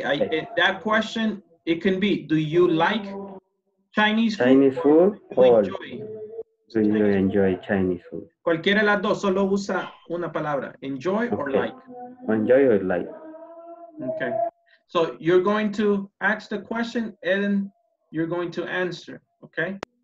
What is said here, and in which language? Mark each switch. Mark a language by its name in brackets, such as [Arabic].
[English] That question, it can be, do you like Chinese food? Or enjoy? Do you enjoy Chinese food? [Spanish] Cualquiera de las dos, solo usa una palabra. [English] Enjoy okay. or like? Enjoy or like. Okay. So you're going to ask the question and then you're going to answer, okay?